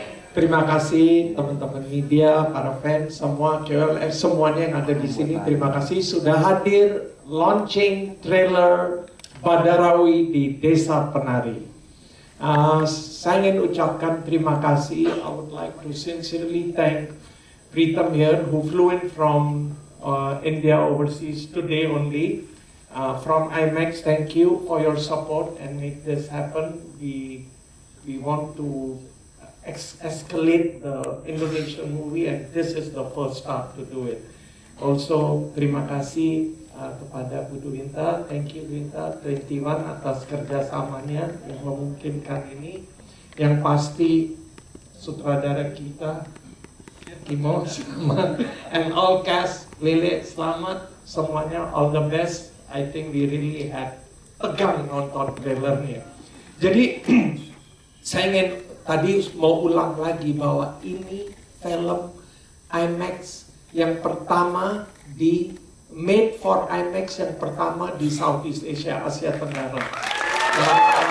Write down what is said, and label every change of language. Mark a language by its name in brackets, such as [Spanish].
[Indonesian] Terima kasih teman-teman media, para fans, semua KOLF, semuanya yang ada di sini. Terima kasih sudah hadir launching trailer Badarawi di Desa Penari. Saya ingin ucapkan terima kasih. [English] I would like to sincerely thank Pritam here, who flew in from India overseas today only. From IMAX, thank you for your support and make this happen. We want to escalate the Indonesian movie, and this is the first step to do it. Also, [Indonesian] terima kasih kepada Bu Dewinta. [English] Thank you, [Indonesian] Dewinta 21, atas kerjasamanya yang memungkinkan ini. Yang pasti, sutradara kita, Kimo, selamat, [English] and all cast, [Indonesian] Lele, selamat, semuanya, [English] all the best. I think we really had [Indonesian] tegang nonton trailernya. Jadi, saya ingin tadi mau ulang lagi bahwa ini film IMAX yang pertama di, made for IMAX yang pertama di Southeast Asia, Asia Tenggara.